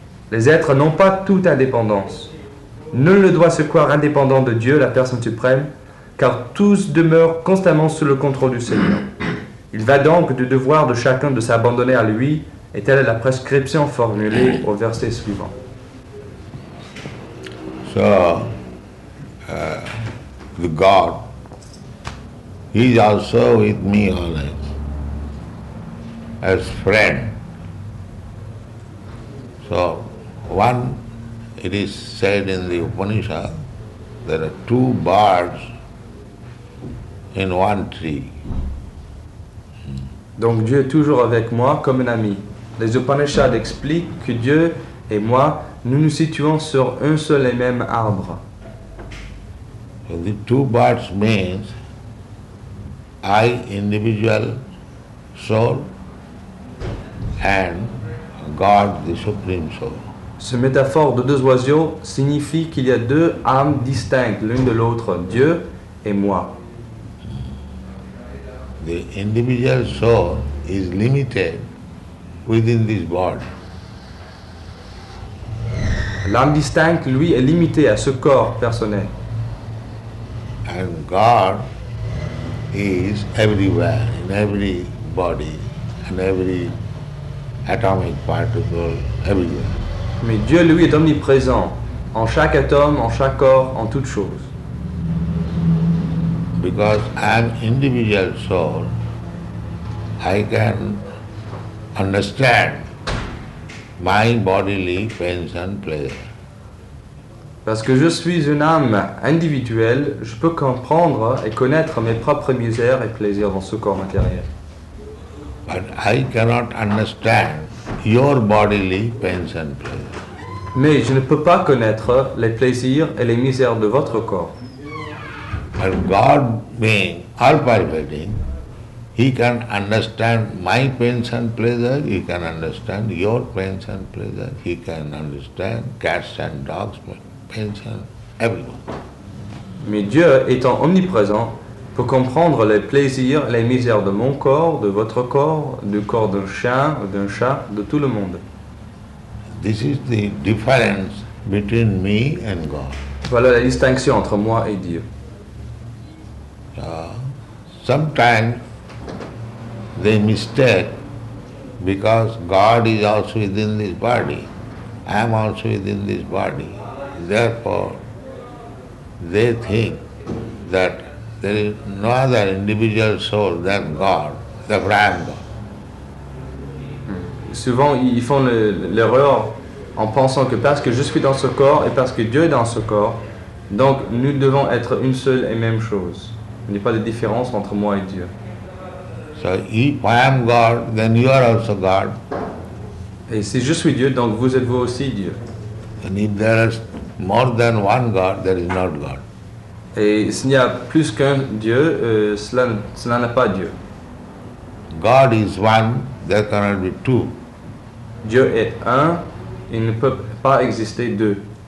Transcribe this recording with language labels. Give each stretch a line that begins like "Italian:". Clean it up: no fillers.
French: Les êtres n'ont pas toute indépendance. Nul ne doit se croire indépendant de Dieu, la personne suprême, car tous demeurent constamment sous le contrôle du Seigneur. Il va donc du devoir de chacun de s'abandonner à lui, et telle est la prescription formulée au verset suivant.
English: So, the God, he's also with me always, as friend. So, one, it is said in the Upanishad, there are two birds in one tree.
French: Donc Dieu est toujours avec moi comme un ami. Les Upanishads expliquent que Dieu et moi, nous nous situons sur un seul et même arbre.
English: The two birds means I, individual soul, and God, the supreme soul.
French: Ce métaphore de deux oiseaux signifie qu'il y a deux âmes distinctes l'une de l'autre, Dieu et moi.
English: The individual soul is limited within this body.
French: L'âme distincte, lui, est limitée à ce corps personnel.
English: And God is everywhere, in every body, in every atomic particle, everywhere.
French: Mais Dieu, lui, est omniprésent en chaque atome, en chaque corps, en toute chose.
English: Because I'm individual soul, I can understand my bodily pains and pleasures.
French: Parce que je suis une âme individuelle, je peux comprendre et connaître mes propres misères et plaisirs dans ce corps matériel.
English: But I cannot understand your bodily pains and pleasures.
French: Mais je ne peux pas connaître les plaisirs et les misères de votre corps.
English: But God being all-pervading, he can understand my pains and pleasures, he can understand your pains and pleasures, he can understand cats and dogs pains and everyone.
French: Mais Dieu étant omniprésent peut comprendre les plaisirs, les misères de mon corps, de votre corps, du corps d'un chien, d'un chat, de tout le monde.
English: This is the difference between me and God.
French: Voilà la distinction entre moi et Dieu.
English: Sometimes they mistake because God is also within this body. I am also within this body. Therefore, they think that there is no other individual soul than God, the brand.
French: Souvent, ils font l'erreur en pensant que parce que je suis dans ce corps et parce que Dieu est dans ce corps, donc nous devons être une seule et même chose. Il n'y a pas de différence entre moi et Dieu.
English: So if I am God, then you are also God.
French: Et si je suis Dieu, donc vous êtes vous aussi Dieu.
English: And if there is more than one God, there is not God.
French: Et s'il n'y a plus qu'un Dieu, cela n'est pas Dieu.
English: God is one, there cannot be two.
French: Dieu est un, il ne peut pas exister deux.